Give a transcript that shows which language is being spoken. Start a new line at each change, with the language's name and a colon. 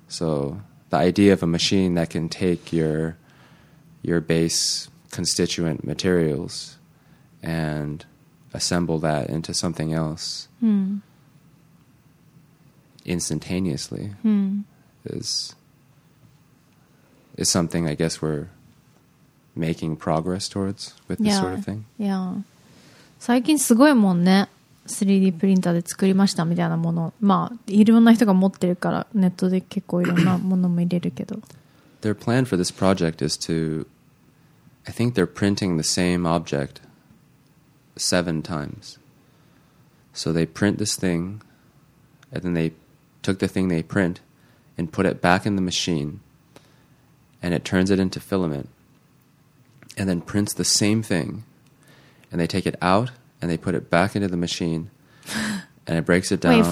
English: So the idea of a machine that can take your base constituent materials and assemble that into something else. Mm. Instantaneously hmm. is something I guess we're making progress towards with yeah, this sort of thing. Yeah.
Japanese: 最近すごいもんね。 3D プリンターで作りましたみたいなもの。まあ、いろんな人が持ってるからネットで結構いろんなものも入れるけど。
English: Their plan for this project is to, I think they're printing the same object 7 times. So they print this thing and then they took the thing they print and put it back in the machine and it turns it into filament and then prints the same thing and they take it out and they put it back into the machine and it breaks it down.